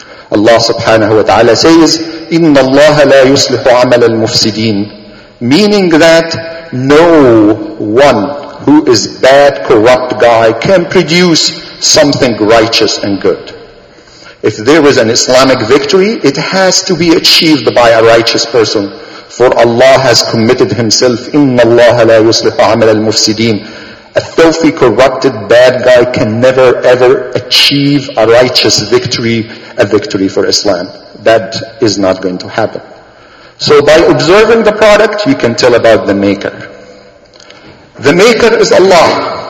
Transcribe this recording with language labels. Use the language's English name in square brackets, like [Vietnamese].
[English] Allah subhanahu wa ta'ala says, [Arabic] إِنَّ اللَّهَ لَا يُصْلِحُ عَمَلَ الْمُفْسِدِينَ, [English] meaning that no one who is bad, corrupt guy can produce something righteous and good. If there is an Islamic victory, it has to be achieved by a righteous person. For Allah has committed himself, [Arabic] إِنَّ اللَّهَ لَا يُصْلِحُ عَمَلَ الْمُفْسِدِينَ. [English] A filthy, corrupted, bad guy can never ever achieve a righteous victory, a victory for Islam. That is not going to happen. So by observing the product, you can tell about the maker. The maker is Allah.